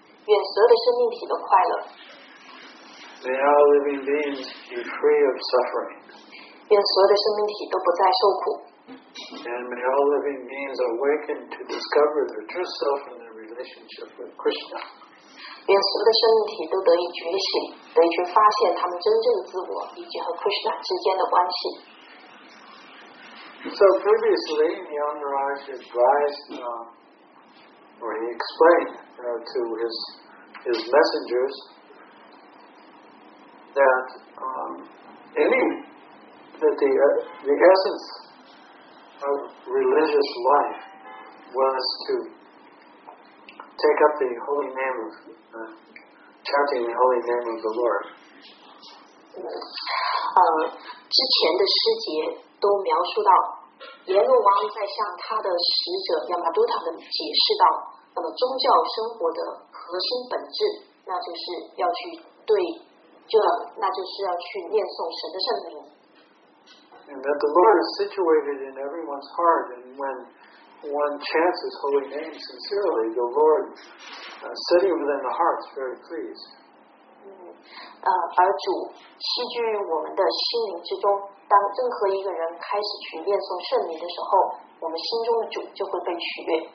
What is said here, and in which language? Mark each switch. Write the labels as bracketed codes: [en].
[zh] 愿所有的生命体都快乐。 [en] May all living beings be free of suffering. [zh] 愿所有的生命体都不再受苦。 [en] And may all living beings awaken to discover their true self in their relationship with Krishna. [zh] 愿所有的生命体都得以觉醒，得以去发现他们真正的自我以及和 Krishna 之间的关系。 [en] So previously, Yamaraj advised, or he explained to his messengers that the essence of religious life was to take up the holy name of chanting the holy name of the Lord. [zh] 之前的师节都描述到。阎罗王在向他的使者亚玛都塔的解释到，那么宗教生活的核心本质，那就是要去对，就那就是要去念诵神的圣名。 [en] And that the Lord is situated in everyone's heart, and when one chants His holy name sincerely, the Lord sitting within the heart is very pleased. [zh] 而主栖居于我们的心灵之中。当任何一个人开始去念诵圣名的时候，我们心中的主就会被取悦。